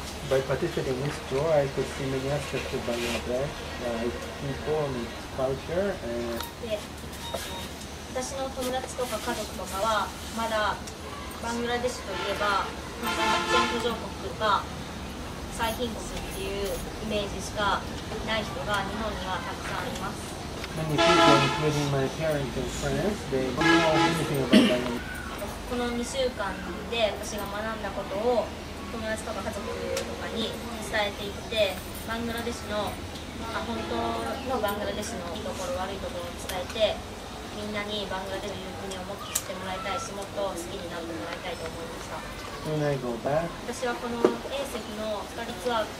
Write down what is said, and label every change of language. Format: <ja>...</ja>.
<en>by participating in this tour, I could see many aspects of Bangladesh, like people and its culture and. で、</en> <ja>私の友達とか家族とかはまだ。バングラデシュといえば、発展途上国とか、最貧国っていうイメージしかない人が日本にはたくさんいます。</ja> <en>Many people, including my parents and friends, they don't know anything about Bangladesh.</en> <ja>この2週間で私が学んだことを友達とか家族とかに伝えていって、バングラデシュの、本当のバングラデシュのいいところ、悪いところを伝えて、みんなにバングラデシュの国をもっと知ってもらいたいし、もっと好きになってもらいたいと思いました。</ja>